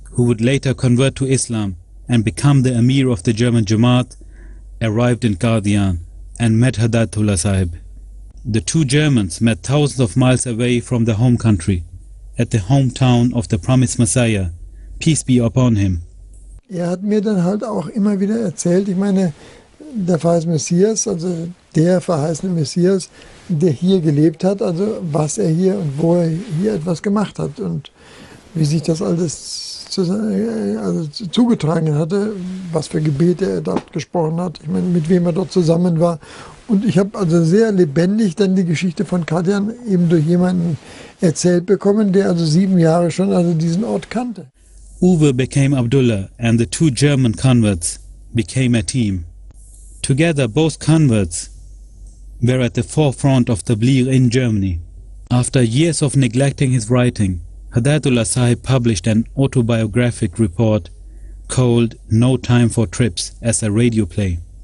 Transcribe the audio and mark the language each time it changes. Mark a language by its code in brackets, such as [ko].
[en] who would later convert to Islam and become the Amir of the German Jamaat, arrived in Qadian and met Hadayatullah Sahib. The two Germans met thousands of miles away from their home country, at the hometown of the promised Messiah, peace be upon him. [de] Hat mir dann halt auch immer wieder erzählt, ich meine, der verheißene Messias, also der verheißene Messias, der hier gelebt hat, also was er hier und wo er hier etwas gemacht hat und wie sich das alles zugetragen hatte, was für Gebete er dort gesprochen hat, ich meine, mit wem er dort zusammen war. Und ich habe also sehr lebendig dann die Geschichte von Qadian eben durch jemanden erzählt bekommen, der also 7 Jahre schon also diesen Ort kannte. [en] Uwe became Abdullah and the two German converts became a team. Together both converts were at the forefront of Tabligh in Germany. After years of neglecting his writing, Hadayatullah Sahib published an autobiographic report called No Time for Trips as a radio play.